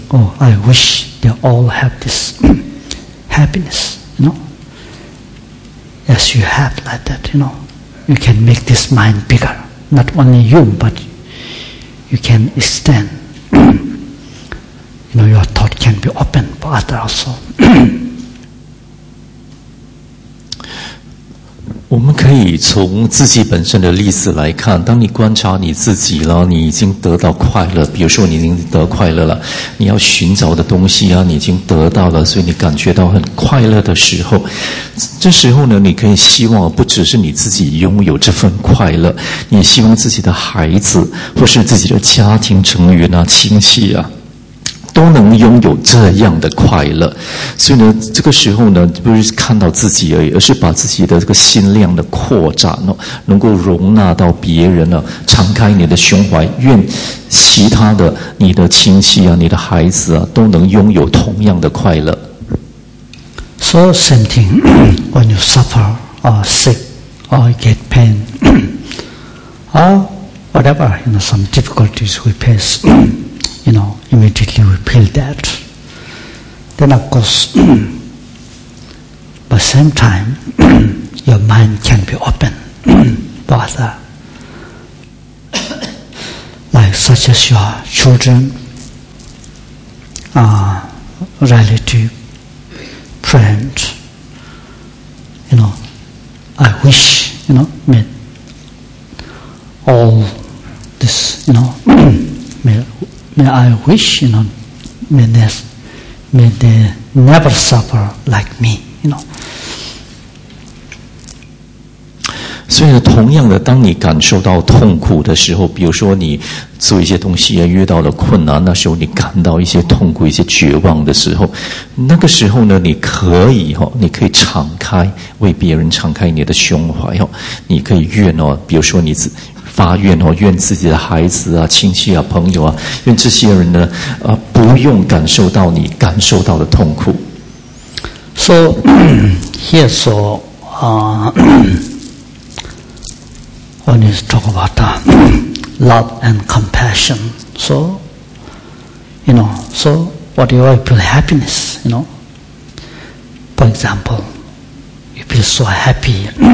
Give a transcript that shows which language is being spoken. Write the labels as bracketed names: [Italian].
[English] Oh, I wish they all have this. Happiness, you know? Yes, you have like that, you know? You can make this mind bigger. Not only you, but you can extend. You know, your thought can be open for others also. [Chinese] 我们可以从自己本身的例子来看，当你观察你自己了，你已经得到快乐，比如说你已经得快乐了，你要寻找的东西啊，你已经得到了，所以你感觉到很快乐的时候，这时候呢，你可以希望不只是你自己拥有这份快乐，你希望自己的孩子或是自己的家庭成员啊，亲戚啊都能拥有这样的快乐。所以呢，这个时候呢，不是看到自己而已，而是把自己的这个心量的扩展，能够容纳到别人了，敞开你的胸怀，愿其他的你的亲戚啊，你的孩子啊，都能拥有同样的快乐。 [English] So same thing when you suffer or sick or get pain or whatever, you know, some difficulties we face, you know,immediately we feel that. Then of course, but same time, your mind can be open, bother. Like such as your children, relative, friend, you know, I wish, you know, may all this, you know, may they never suffer like me, you know. [Chinese] 所以呢，同样的，当你感受到痛苦的时候，比如说你做一些东西啊，遇到了困难，那时候你感到一些痛苦、一些绝望的时候，那个时候呢，你可以哈，你可以敞开为别人敞开你的胸怀哦，你可以愿哦，比如说你自。发愿哦，愿自己的孩子啊、亲戚啊、朋友啊，愿这些人呢，不用感受到你感受到的痛苦。 [English] So here, so when you talk about love and compassion, so you know, so what do you feel happiness? You know, for example, you feel so happy.